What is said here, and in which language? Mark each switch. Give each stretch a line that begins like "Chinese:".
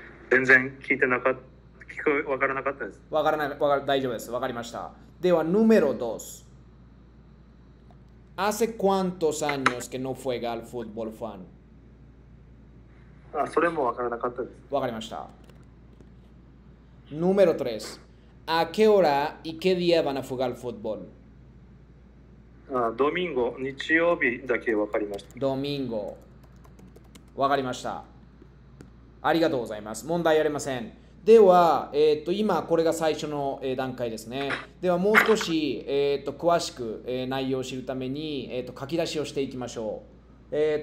Japanese: 全然聞いてなかった、聞こえ、分からなかったです。わからない、大丈夫です。わかりました。では、
Spanish: número dos。 ¿Hace cuántos años que no juega al fútbol, Juan?
Japanese: あ、それも分からなかったです。わかりました。
Spanish: número tres。 ¿A qué hora y qué día van a jugar al fútbol?
Japanese: あ、ドミンゴ、日曜日だけ分かりました。 Domingo。 わかりました。ありがとうございます。問題ありません。では、今これが最初の段階ですね。では、もう少し、詳しく、内容を知るために、書き出しをしていきましょう。